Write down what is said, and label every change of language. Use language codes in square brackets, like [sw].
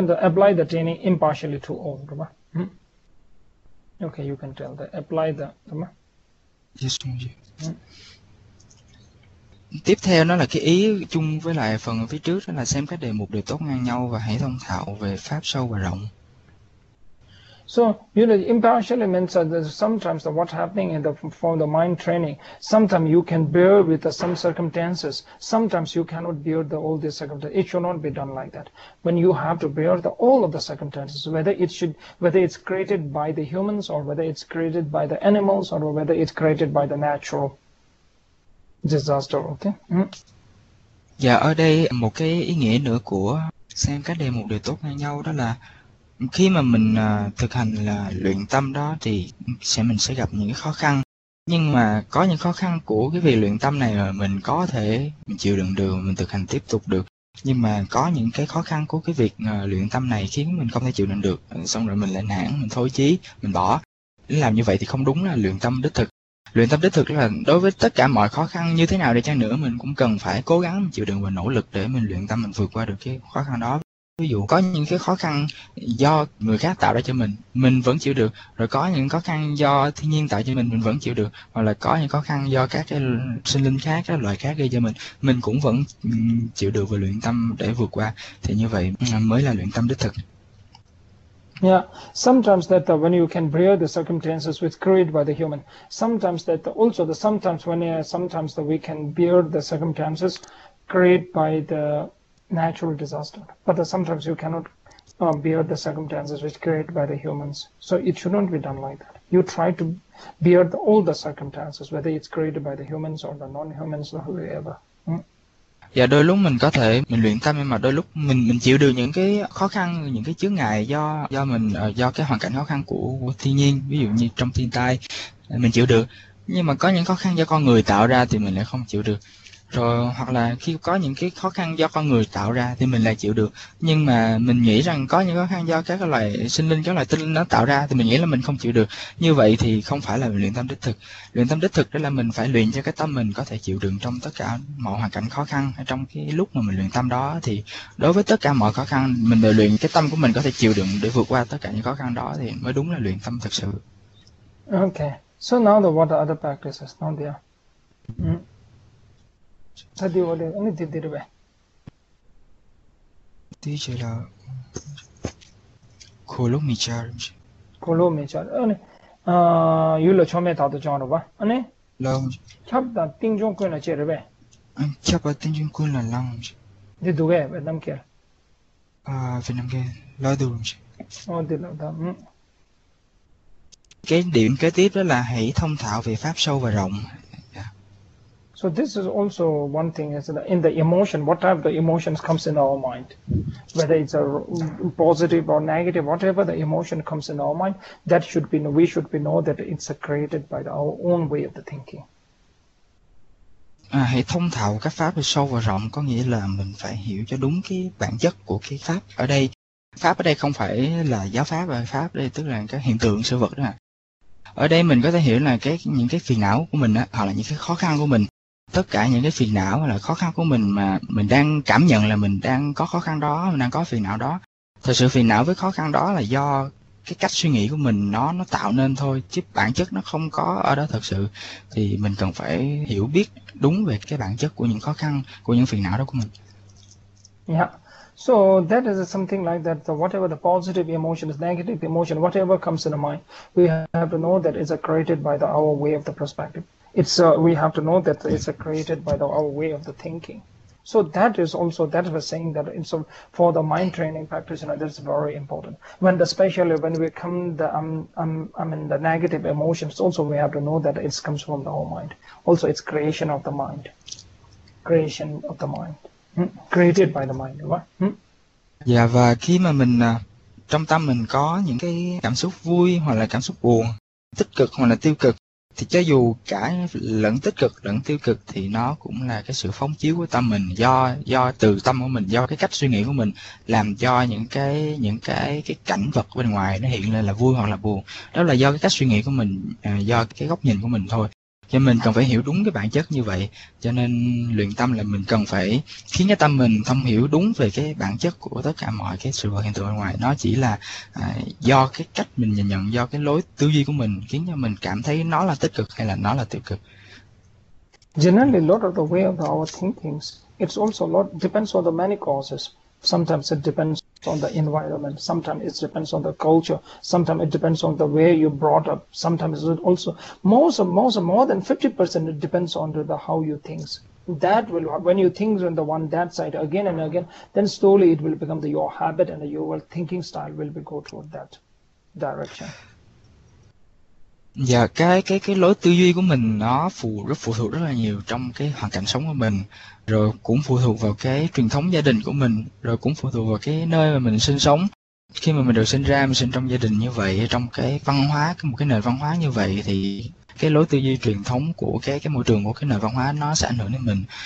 [en] Then apply the training impartially to all rồi bà. Ok, you can tell the apply the đúng Yes, chứ. [vi] không? Tiếp theo nó là cái ý chung với lại phần phía trước, đó là xem các đề mục đều tốt ngang nhau và hãy thông thạo về pháp sâu và rộng. [en] So, impartially means that sometimes the, what's happening in the form the mind training, sometimes you can bear with the, some circumstances, sometimes you cannot bear the all these circumstances. It should not be done like that. When you have to bear the all of the circumstances, whether it's created by the humans or whether it's created by the animals or whether it's created by the natural disaster, okay? [vi] Và ở đây một cái ý nghĩa nữa của xem các đề mục đều tốt ngang nhau, đó là khi mà mình thực hành là luyện tâm đó thì sẽ mình sẽ gặp những cái khó khăn, nhưng mà có những khó khăn của cái việc luyện tâm này rồi mình có thể mình chịu đựng được, mình thực hành tiếp tục được, nhưng mà có những cái khó khăn của cái việc luyện tâm này khiến mình không thể chịu đựng được, xong rồi mình lên hẳn, mình thối chí, mình bỏ. Làm như vậy thì không đúng là luyện tâm đích thực. Luyện tâm đích thực là đối với tất cả mọi khó khăn như thế nào đi chăng nữa, mình cũng cần phải cố gắng chịu đựng và nỗ lực để mình luyện tâm, mình vượt qua được cái khó khăn đó. Ví dụ có những cái khó khăn do người khác tạo ra cho mình vẫn chịu được, rồi có những khó khăn do thiên nhiên tạo cho mình vẫn chịu được, hoặc là có những khó khăn do các cái sinh linh khác, các loài khác gây cho mình cũng vẫn chịu được và luyện tâm để vượt qua, thì như vậy mới là luyện tâm đích thực. [en] Yeah, sometimes that when you can bear the circumstances which created by the human, sometimes that also the sometimes when sometimes that we can bear the circumstances created by the natural disaster, but sometimes you cannot bear the circumstances which created by the humans. So it shouldn't be done like that. You try to bear the, all the circumstances, whether it's created by the humans or the non-humans or whoever. [vi] Và đôi lúc mình có thể mình luyện tâm, nhưng mà đôi lúc mình chịu được những cái khó khăn, những cái chướng ngại do mình do cái hoàn cảnh khó khăn của thiên nhiên, ví dụ như trong thiên tai mình chịu được, nhưng mà có những khó khăn do con người tạo ra thì mình lại không chịu được. Rồi hoặc là khi có những cái khó khăn do con người tạo ra thì mình lại chịu được, nhưng mà mình nghĩ rằng có những khó khăn do các loài sinh linh, các loài tinh linh nó tạo ra thì mình nghĩ là mình không chịu được. Như vậy thì không phải là mình luyện tâm đích thực. Luyện tâm đích thực đó là mình phải luyện cho cái tâm mình có thể chịu đựng trong tất cả mọi hoàn cảnh khó khăn, hay trong cái lúc mà mình luyện tâm đó thì đối với tất cả mọi khó khăn mình đều luyện cái tâm của mình có thể chịu đựng để vượt qua tất cả những khó khăn đó, thì mới đúng là luyện tâm thực sự. [en] Okay, so now the what are the practices now there? Sadhu, what did Tí chơi là khổ lúc mì chà rồi. Kolo me chal ane yu lo chome ta to chano ba ane Lòng chap da ting jong ko na che re ba anh chắc bà tình dung cun là lòng chứ. de du ge ba nam kia À, phải nằm kia, lo đủ chứ. o de la da [vi] Cái điểm kế tiếp đó là hãy thông thạo về pháp sâu và rộng. [en] So this is also one thing is that in the emotion, what type of the emotions comes in our mind, whether it's a positive or negative, whatever the emotion comes in our mind, that should be, we should be know that it's created by our own way of the thinking. [vi] À, hãy thông thạo các pháp về sâu và rộng có nghĩa là mình phải hiểu cho đúng cái bản chất của cái pháp ở đây. Pháp ở đây không phải là giáo pháp, và pháp đây tức là các hiện tượng sự vật đó à. Ở đây mình có thể hiểu là những cái phiền não của mình á, hoặc là những cái khó khăn của mình, tất cả những cái phiền não hoặc là khó khăn của mình mà mình đang cảm nhận là mình đang có khó khăn đó, mình đang có phiền não đó, Thật sự phiền não với khó khăn đó là do cái cách suy nghĩ của mình nó tạo nên thôi, chứ bản chất nó không có ở đó thật sự. Thì mình cần phải hiểu biết đúng về cái bản chất của những khó khăn, của những phiền não đó của mình. [en] So that is something like that. So whatever the positive emotion is, negative emotion, whatever comes in the mind, we have to know that it's created by the our way of the perspective. We have to know that it's created by our way of the thinking. So that is also that we're saying that in some for the mind training practice, that's very important. When especially when we come the I mean the negative emotions, also we have to know that it comes from the whole mind. Also, it's creation of the mind, creation of the mind. Created by the mind, [vi] đúng không? Dạ, và khi mà mình trong tâm mình có những cái cảm xúc vui hoặc là cảm xúc buồn, tích cực hoặc là tiêu cực, thì cho dù cả lẫn tích cực lẫn tiêu cực thì nó cũng là cái sự phóng chiếu của tâm mình, do từ tâm của mình, do cái cách suy nghĩ của mình làm cho những cái cảnh vật bên ngoài nó hiện lên là vui hoặc là buồn. Đó là do cái cách suy nghĩ của mình, do cái góc nhìn của mình thôi. Cho mình cần phải hiểu đúng cái bản chất như vậy, cho nên luyện tâm là mình cần phải khiến cái tâm mình thông hiểu đúng về cái bản chất của tất cả mọi cái sự vật hiện tượng bên ngoài. Nó chỉ là do cái cách mình nhìn nhận, do cái lối tư duy của mình khiến cho mình cảm thấy nó là tích cực hay là nó là tiêu cực. [en] Generally, a lot of the way of our thinkings, it's also a lot depends on the many causes. Sometimes it depends on the environment. Sometimes it depends on the culture. Sometimes it depends on the way you brought up. Sometimes it also more than 50% it depends on the how you thinks. That will when you think on the one that side again and again, then slowly it will become the your habit and your thinking style will be go toward that direction. [vi] Dạ, cái lối tư duy của mình nó phụ thuộc rất là nhiều trong cái hoàn cảnh sống của mình, rồi cũng phụ thuộc vào cái truyền thống gia đình của mình, rồi cũng phụ thuộc vào cái nơi mà mình sinh sống. Khi mà mình được sinh ra, mình sinh trong gia đình như vậy, trong cái văn hóa, một cái nền văn hóa như vậy, thì cái lối tư duy truyền thống của cái môi trường của cái nền văn hóa nó sẽ ảnh hưởng đến mình.